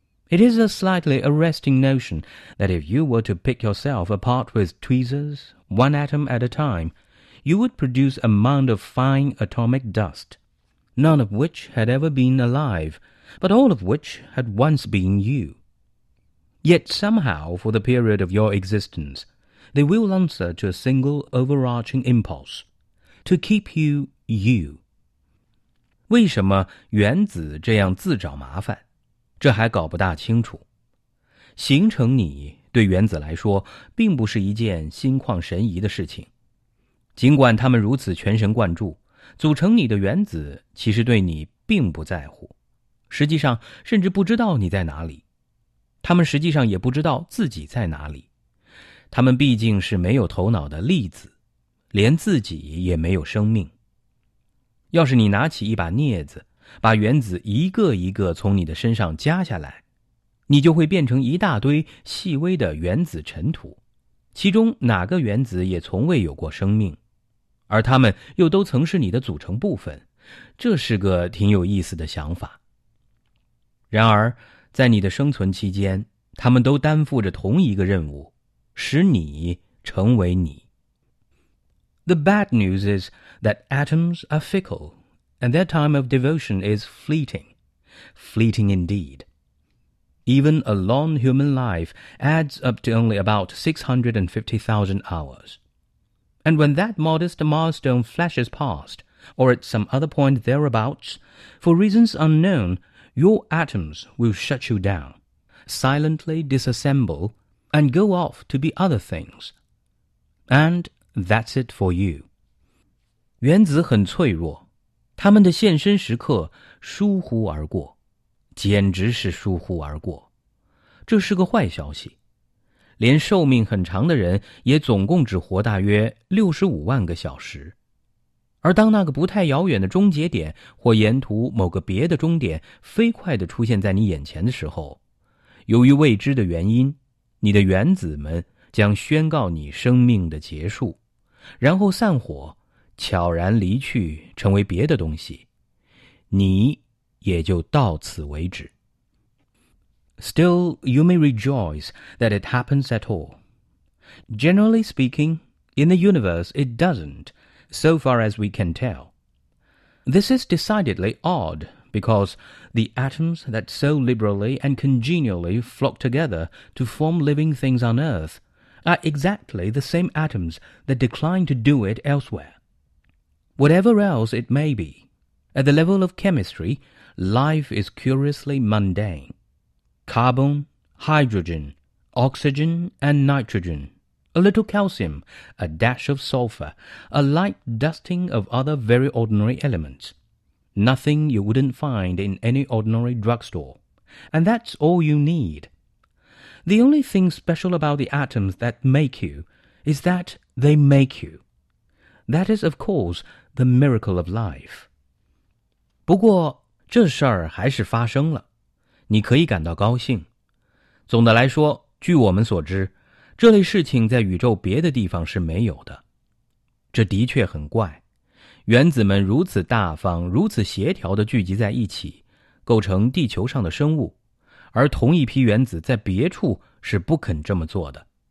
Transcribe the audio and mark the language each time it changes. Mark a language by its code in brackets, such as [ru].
[en] It is a slightly arresting notion that if you were to pick yourself apart with tweezers, one atom at a time, you would produce a mound of fine atomic dust, none of which had ever been alive, but all of which had once been you. Yet somehow, for the period of your existence, they will answer to a single overarching impulse, to keep you you. [zh] 为什么原子这样自找麻烦？这还搞不大清楚。形成你对原子来说并不是一件心旷神怡的事情。尽管他们如此全神贯注，组成你的原子其实对你并不在乎，实际上甚至不知道你在哪里。他们实际上也不知道自己在哪里。他们毕竟是没有头脑的粒子，连自己也没有生命。要是你拿起一把镊子，把原子一个一个从你的身上夹下来，你就会变成一大堆细微的原子尘土，其中哪个原子也从未有过生命，而它们又都曾是你的组成部分，这是个挺有意思的想法。然而，在你的生存期间，它们都担负着同一个任务，使你成为你。 [en] The bad news is that atoms are fickle, and their time of devotion is fleeting. Fleeting indeed. Even a long human life adds up to only about 650,000 hours. And when that modest milestone flashes past, or at some other point thereabouts, for reasons unknown, your atoms will shut you down, silently disassemble, and go off to be other things. AndThat's it for you. [zh] 原子很脆弱，他们的现身时刻疏忽而过，简直是疏忽而过。这是个坏消息。连寿命很长的人也总共只活大约65万个小时。而当那个不太遥远的终结点或沿途某个别的终点飞快地出现在你眼前的时候，由于未知的原因，你的原子们将宣告你生命的结束，然后散伙，悄然离去，成为别的东西，你也就到此为止。 [en] Still, you may rejoice that it happens at all. Generally speaking, in the universe it doesn't, so far as we can tell. This is decidedly odd, because the atoms that so liberally and congenially flock together to form living things on Earth are exactly the same atoms that decline to do it elsewhere. Whatever else it may be, at the level of chemistry, life is curiously mundane. Carbon, hydrogen, oxygen, and nitrogen, a little calcium, a dash of sulfur, a light dusting of other very ordinary elements. Nothing you wouldn't find in any ordinary drugstore. And that's all you need. The only thing special about the atoms that make you is that they make you. That is, of course, the miracle of life. [zh] 不过这事儿还是发生了。你可以感到高兴。总的来说，据我们所知，这类事情在宇宙别的地方是没有的。这的确很怪，原子们如此大方，如此协调地聚集在一起，构成地球上的生物，而同一批原子在别处是不肯这么做的。